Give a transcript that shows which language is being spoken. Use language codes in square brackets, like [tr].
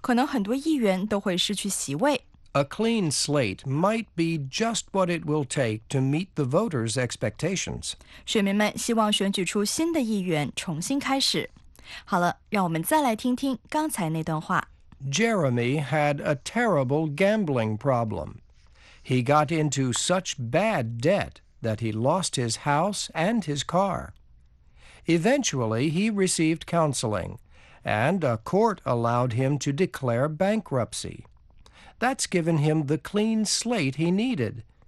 [zh] 我想啊，下次选举可能很多议员都会失去席位。 [en] A clean slate might be just what it will take to meet the voters' expectations. [zh] 选民们希望选举出新的议员，重新开始。好了，让我们再来听听刚才那段话。 [en] Jeremy had a terrible gambling problem. He got into such bad debt that he lost his house and his car. Eventually, he received counseling, and a court allowed him to declare bankruptcy. That's given him the clean slate he needed.